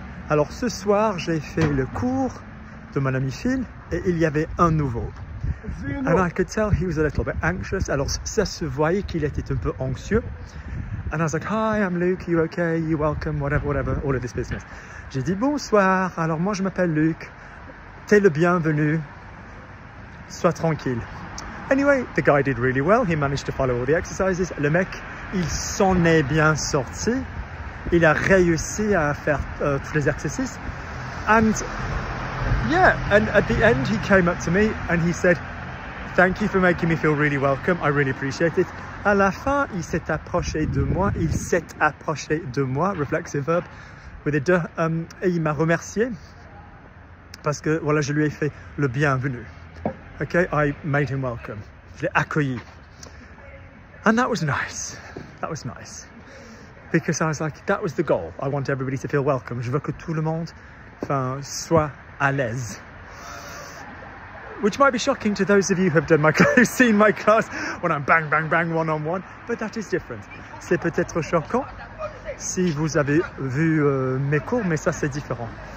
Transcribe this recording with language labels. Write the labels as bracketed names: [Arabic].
[French] Alors ce soir, j'ai fait le cours de mon ami Phil. Et il y avait un nouveau. [English] And I could tell he was a little bit anxious. [French] Alors ça se voyait qu'il était un peu anxieux. [English] And I was like, hi, I'm Luke, are you okay, are you welcome, whatever, whatever, all of this business. [French] J'ai dit, bonsoir, alors moi je m'appelle Luke, t'es le bienvenu, sois tranquille. [English] Anyway, the guy did really well, he managed to follow all the exercises. [French] Le mec, il s'en est bien sorti, il a réussi à faire tous les exercices. [English] And yeah, and at the end he came up to me and he said, thank you for making me feel really welcome, I really appreciate it. [French] À la fin, il s'est approché de moi, [English] reflexive verb, with a [French] de, et il m'a remercié parce que, voilà, je lui ai fait le bienvenu. [English] Okay, I made him welcome. [French] Je l'ai accueilli. [English] And that was nice. That was nice. Because I was like, that was the goal. I want everybody to feel welcome. [French] Je veux que tout le monde, enfin, soit à l'aise. [English] Which might be shocking to those of you who have done my class, seen my class when I'm bang, bang, bang, one-on-one, but that is different. [French] C'est peut-être choquant si vous avez vu mes cours, mais ça, c'est différent.